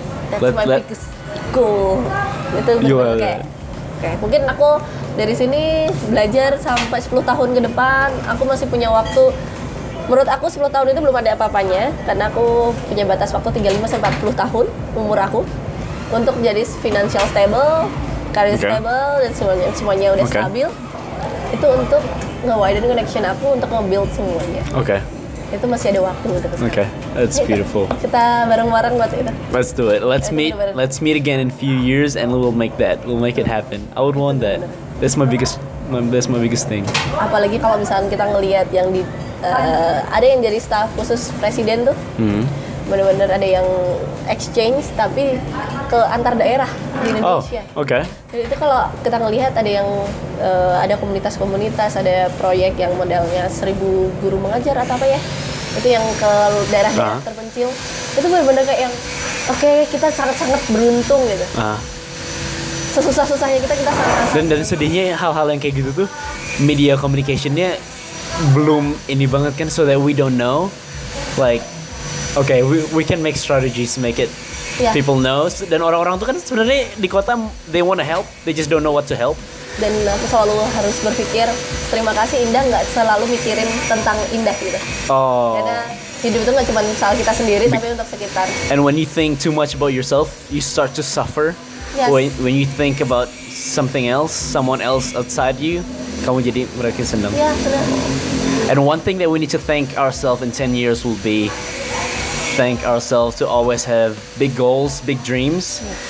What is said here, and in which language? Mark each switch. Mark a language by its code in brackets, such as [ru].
[en] That's my biggest goal [id] itu benar-benar kayak mungkin aku dari sini belajar sampai 10 tahun ke depan aku masih punya waktu menurut aku 10 tahun itu belum ada apa-apanya karena aku punya batas waktu 35-40 tahun umur aku untuk jadi financial stable career stable dan semuanya udah stabil itu untuk nge-widen connection aku untuk nge-build semuanya. Oke. [en] Okay. [id] Itu masih ada waktu untuk. [en] Oke. Okay. That's beautiful. [id] Kita bareng-bareng buat itu. [en] Let's do it. Let's meet again in few years and we'll make that. We'll make it happen. I would want that. That's my biggest thing. [id] Apalagi kalau misalkan kita ngelihat yang di ada yang jadi staff khusus presiden tuh. Benar-benar ada yang exchange tapi ke antar daerah di Indonesia. Oh, oke. [en] Okay. [id] Jadi itu kalau kita ngelihat ada yang ada komunitas-komunitas, ada proyek yang modalnya 1000 guru mengajar atau apa ya. Itu yang ke daerah yang terpencil. Itu benar-benar kayak yang kita sangat-sangat beruntung gitu. Sesusah-susahnya kita sangat-sangat. Dan sedihnya hal-hal yang kayak gitu tuh media communication-nya belum ini banget kan [en] so that we don't know like okay, we can make strategies to make it people know. [id] Dan orang-orang tuh kan sebenarnya di kota [en] they wanna help, they just don't know what to help. [id] Dan aku selalu harus berpikir terima kasih Indah nggak selalu mikirin tentang Indah gitu. Oh. Karena hidup itu nggak cuma soal kita sendiri tapi untuk sekitar. [en] And when you think too much about yourself, you start to suffer. Yes. When you think about something else, someone else outside you, [id] kamu jadi merasa sendang. Yeah, benar. [en] And one thing that we need to thank ourselves in 10 years will be. Thank ourselves to always have big goals, big dreams. Yeah.